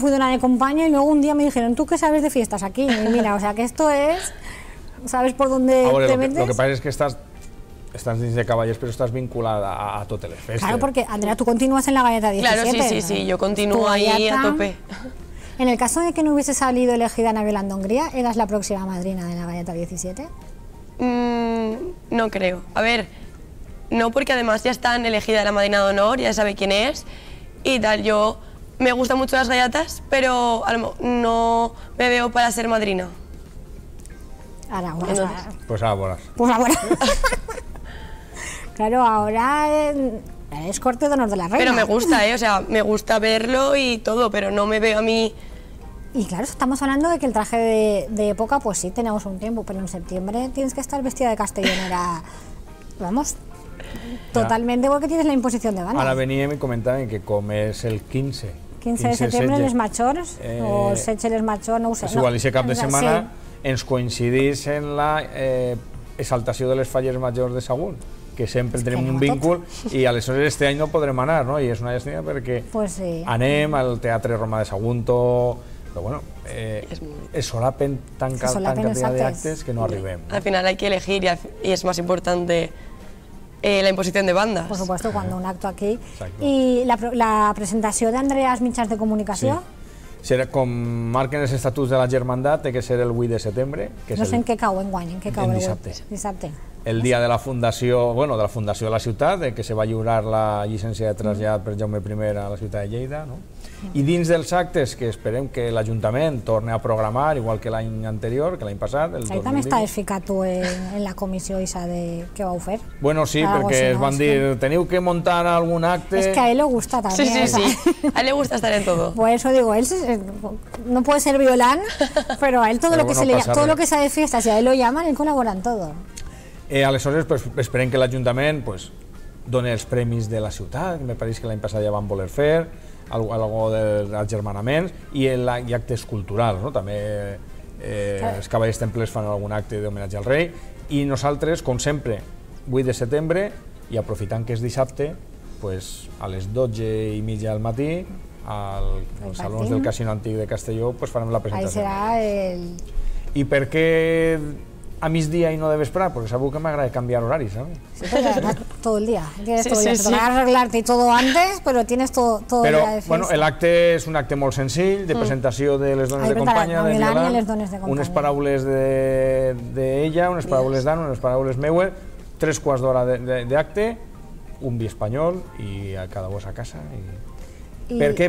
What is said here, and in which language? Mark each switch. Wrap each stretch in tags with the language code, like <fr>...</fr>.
<es>fui de una de compañía y luego un día me dijeron, ¿tú qué sabes de fiestas aquí? Y mira, o sea, que esto es, ¿sabes por dónde te metes? Lo que pasa es que</es> <ca>estás dins de Caballers, però estàs vinculada a totes les festes.</ca> <es>Claro, porque Andrea, tú continúas en la galleta 17. Claro, sí, yo continúo ahí a tope. En el caso de que no hubiese salido elegida Ana Violando Hongría, ¿eras la próxima madrina de la galleta 17? No creo. A ver, no, porque además ya están elegida la madrina de honor, ya sabe quién es y tal. Yo me gustan mucho las galletas, pero no me veo para ser madrina. Ahora, buenas. Entonces, pues ahora, buenas. Pues ahora, buenas. Claro, ahora es corte de honor de la reina. Pero me gusta, ¿eh? O sea, me gusta verlo y todo, pero no me veo a mí. Y claro, estamos hablando de que el traje de época, pues sí, tenemos un tiempo, pero en septiembre tienes que estar vestida de castellonera, vamos, ya. Totalmente, igual que tienes la imposición de banda. Ahora venía y me comentaban que como es el 15. 15 de septiembre, les machors, o seche les machors, no sé. Es igual, ese</es> <ca>cap de semana, ens coincidís en la exaltació de les falles majors de Sagunt. Que sempre tenim un víncul, i aleshores este any no podrem anar, no? I és una llestina perquè anem al Teatre Romà de Sagunto, però bueno, es solapen tan cantidad de actes que no arribem.</ca> <es>Al final hay que elegir, y es más importante la imposición de bandas. Por supuesto, cuando un acto aquí.</es> <ca>I la presentació d'Andrea als mitjans de comunicació? Serà com marquen els estatuts de la germandat, ha de ser el 8 de setembre. No sé en què cau enguany, en què cau el 8. En dissabte. El dia de la fundació, bueno, de la fundació de la ciutat, que se va lliurar la llicència de trasllat per Jaume I a la ciutat de Lleida, no? I dins dels actes, que esperem que l'Ajuntament torni a programar, igual que l'any anterior, que l'any passat, el 2020... Ahí també estaves ficat tu en la comissió ixa de què vau fer. Bueno, sí, perquè es van dir, teniu que muntar algun acte... És que a ell li gusta, també. Sí, sí, sí. A ell li gusta estar en todo.</ca> <es>Pues eso digo, ell no puede ser violant, pero a ell todo lo que se le... Todo lo que sea de fiesta, si a ell lo llaman, ell col·labora en todo.</es> <ca>Aleshores, esperem que l'Ajuntament doni els premis de la ciutat, que em pareix que l'any passat ja van voler fer, alguna cosa d'agermanament, i actes culturals, també els Cavallers Templers fan algun acte d'homenatge al rei, i nosaltres, com sempre, 8 de setembre, i aprofitant que és dissabte, a les 12:30 del matí, als salons del Casino Antic de Castelló, farem la presentació. Ahí serà el... I per què... a migdia i no de vespre, perquè segur que m'agrada canviar horaris. Sí, tot el dia.</ca> <es>Tienes sí, todo sí, el día. Sí. Arreglarte y todo antes, pero tienes todo, todo pero, el día de fiesta.</es> <ca>Bueno, el acte és un acte molt senzill, de presentació de les dones de companya. De Milán i les dones de companya. Unes paraules d'ella, unes paraules d'Anna, unes paraules meues, tres quarts d'hora d'acte, un vi espanyol i a cada vos a casa. I... Per què?</ca>